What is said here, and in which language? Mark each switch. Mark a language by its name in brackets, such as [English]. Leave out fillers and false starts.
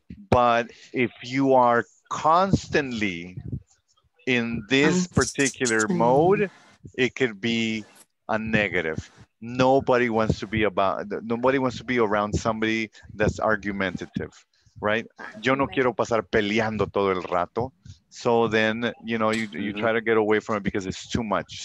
[English] But if you are constantly in this particular mode, it could be a negative. Nobody wants to be around somebody that's argumentative, right? [Spanish] Yo no quiero pasar peleando todo el rato. [English] So then, you know, you try to get away from it because it's too much.